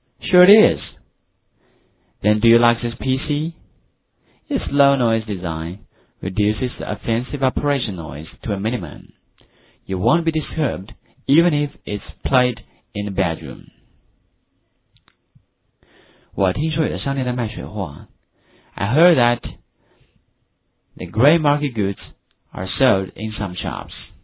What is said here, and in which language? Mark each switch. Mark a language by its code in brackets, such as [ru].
[en] Sure it is. Then do you like this PC? Its low noise design reduces the offensive operation noise to a minimum. You won't be disturbed even if it's played in the bedroom. [zh] 我听说有的商店在卖水货。 [en] I heard that the gray market goods are sold in some shops.